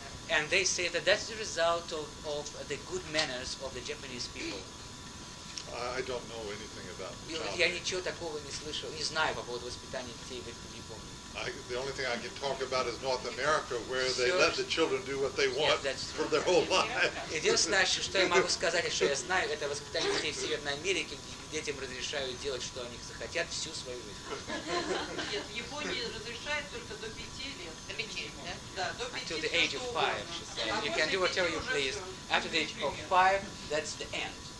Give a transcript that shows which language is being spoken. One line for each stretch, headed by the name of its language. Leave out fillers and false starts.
English: And they say that that's the result of the good manners of the Japanese people. I don't know anything about childhood.
Russian: Я ничего такого не слышал, не знаю по поводу воспитания детей в Японии.
English: The only thing I can talk about is North America, where they let the children do what they want for their whole lives.
Russian: Единственное, что я могу сказать, что я знаю, это воспитание детей в Северной Америке. Детям разрешают делать, что они захотят, всю свою жизнь. Нет, в Японии разрешают только до 5 лет. До 5, да? Да, до 5 лет.
English: Until the age of 5, she said. You can do whatever you please. After the age of 5, that's the end.